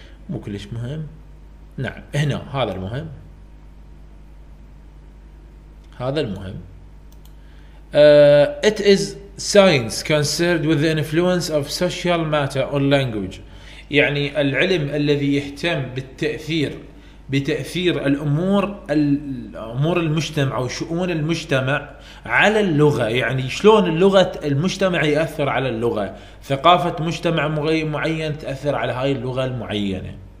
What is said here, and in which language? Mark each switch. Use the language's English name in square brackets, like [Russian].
[Arabic] مو كلش مهم. نعم هنا هذا المهم. هذا المهم. [English] It is science concerned with the influence of social matter on language. [Arabic] يعني العلم الذي يهتم بالتأثير بتأثير الأمور المجتمع أو شؤون المجتمع على اللغة. يعني شلون اللغة المجتمع يأثر على اللغة، ثقافة مجتمع معين تأثر على هاي اللغة المعينة.